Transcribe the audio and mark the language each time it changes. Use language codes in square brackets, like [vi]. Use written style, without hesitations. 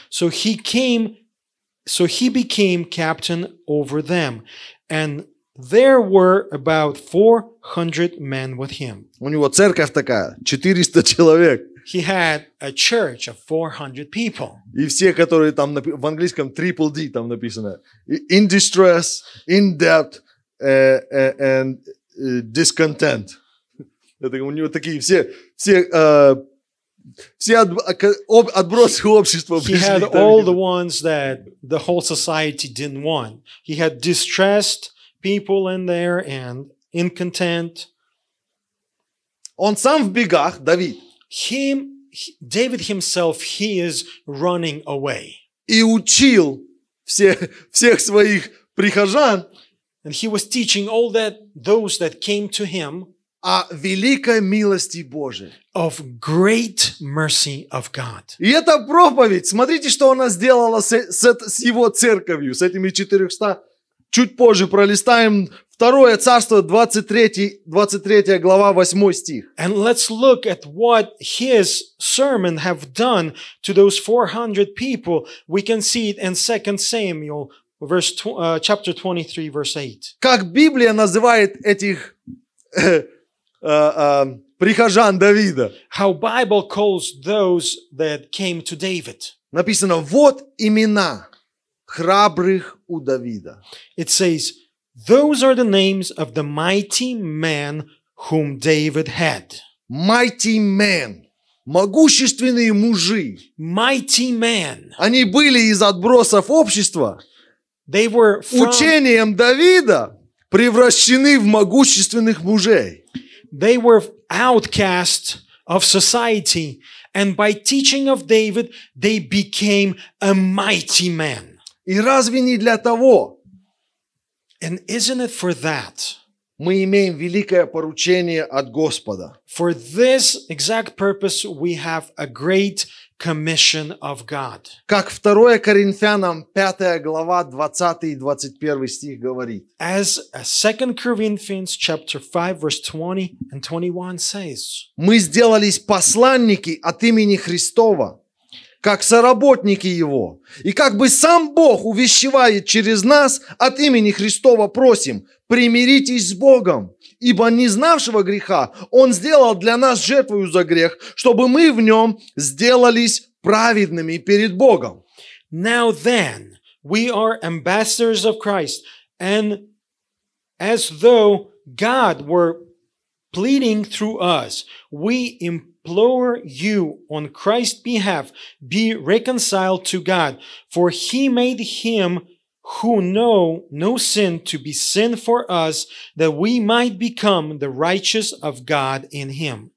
[en] So he became captain over them. And there were about 400 men with him. [ru] У него церковь такая, 400 человек. [en] He had a church of 400 people. [ru] И все, которые там в английском [en] triple D [ru] там написано, [en] in distress, in debt, and discontent. [ru] Это у него такие все отбросы общества. [en] He had all the ones that the whole society didn't want. He had distressed people in there and in content. [ru] Он сам в бегах, Давид. [en] David himself, he is running away. [ru] И учил всех своих прихожан. [en] And he was teaching all those that came to him. [ru] О великой милости Божией. [en] Of great mercy of God. [ru] И это проповедь. Смотрите, что она сделала с его церковью, с этими 400. Чуть позже пролистаем второе царство, 23 глава, 8 стих. [en] And let's look at what his sermon have done to those 400 people. We can see it in 2 Samuel, chapter 23, verse 8. [ru] Как Библия называет этих прихожан Давида? [en] How Bible calls those that came to David. [ru] Написано, вот имена. храбрых у Давида. [en] It says, those are the names of the mighty man whom David had. Mighty man. [ru] Могущественные мужи. [en] Mighty man. [ru] Они были из отбросов общества. [en] They were from... [ru] Учением Давида превращены в могущественных мужей. [en] They were outcasts of society, and by teaching of David, they became a mighty man. [ru] И разве не для того? [en] And isn't it for that? [ru] Мы имеем великое поручение от Господа. [en] For this exact purpose, we have a great commission of God. [ru] Как 2 Коринфянам 5 глава 20 и 21 стих говорит. [en] As 2 Corinthians chapter 5 verse 20 and 21 says. [ru] Мы сделались посланники от имени Христова, как соработники Его. И как бы сам Бог увещевает через нас, от имени Христова просим, примиритесь с Богом. Ибо не знавшего греха Он сделал для нас жертвою за грех, чтобы мы в нем сделались праведными перед Богом. [en] Now then, we are ambassadors of Christ, and as though God were pleading through us, we implore you on Christ's behalf, be reconciled to God, for He made Him who know no sin to be sin for us, that we might become the righteous of God in Him.